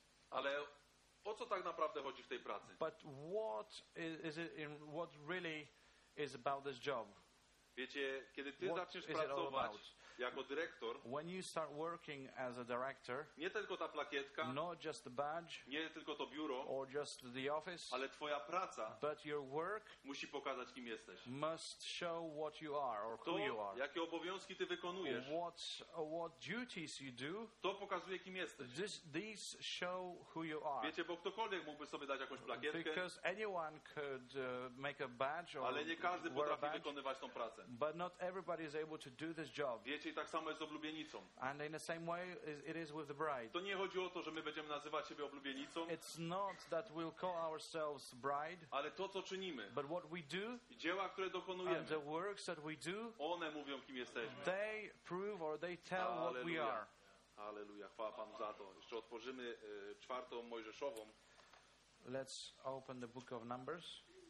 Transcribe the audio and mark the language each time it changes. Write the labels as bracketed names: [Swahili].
[Polish] Ale o co tak naprawdę chodzi w tej pracy? [English] But what is it in, what really is about this job? [Polish] Wiecie, kiedy ty what zaczniesz pracować jako dyrektor, [English] when you start working as a director, [Polish] nie tylko ta plakietka, [English] not just the badge, [Polish] nie tylko to biuro, [English] or just the office, [Polish] ale twoja praca, [English] but your work, [Polish] musi pokazać, kim jesteś, [English] must show what you are or [Polish] to, [English] who you are, [Polish] jakie obowiązki ty wykonujesz, [English] what duties you do, [Polish] to pokazuje, kim jesteś. [English] These show who you are. [Polish] Wiecie, bo ktokolwiek mógłby sobie dać jakąś plakietkę, [English] because anyone could make a badge or, [Polish] ale nie każdy potrafi wykonywać tą pracę, [English] but not everybody is able to do this job. [Polish] Wiecie, i tak samo jest z oblubienicą. [English] And in the same way it is with the bride. [Polish] To nie chodzi o to, że my będziemy nazywać siebie oblubienicą. [English] It's not that we'll call ourselves bride. [Polish] Ale to, co czynimy. [English] But what we do. [Polish] I dzieła, które dokonujemy. [English] And the works that we do. [Polish] One mówią, kim jesteśmy. [English] They prove or they tell [Polish] Alleluja. [English] What we are. [Polish] Alleluja. Chwała Panu za to. Jeszcze otworzymy czwartą Mojżeszową. [English] Let's open the book of Numbers.